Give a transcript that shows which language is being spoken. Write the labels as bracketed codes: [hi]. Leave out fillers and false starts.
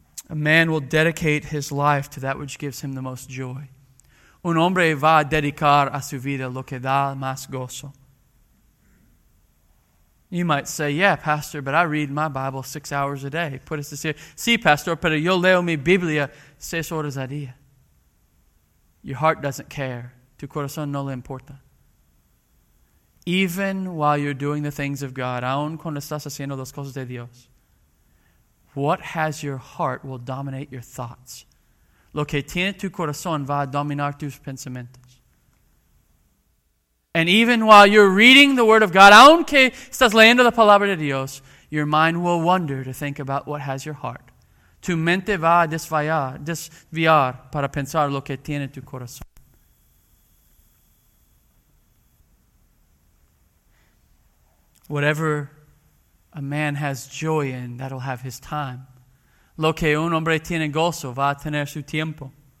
[en] A man will dedicate his life to that which gives him the most joy. [es] Un hombre va a dedicar a su vida lo que da más gozo. [en] You might say, yeah, pastor, but I read my Bible 6 hours a day. Put us this here. [es] Sí, pastor, pero yo leo mi Biblia 6 horas al día. [en] Your heart doesn't care. [es] Tu corazón no le importa. [en] Even while you're doing the things of God, [es] aun cuando estás haciendo las cosas de Dios, [en] what has your heart will dominate your thoughts. [es] Lo que tiene tu corazón va a dominar tus pensamientos. [en] And even while you're reading the Word of God, [es] aunque estás leyendo la Palabra de Dios, [en] your mind will wander to think about what has your heart. [es] Tu mente va a desviar para pensar lo que tiene tu corazón. [en] Whatever a man has joy in, that'll have his time. [es] Lo que un hombre tiene gozo va a tener su tiempo.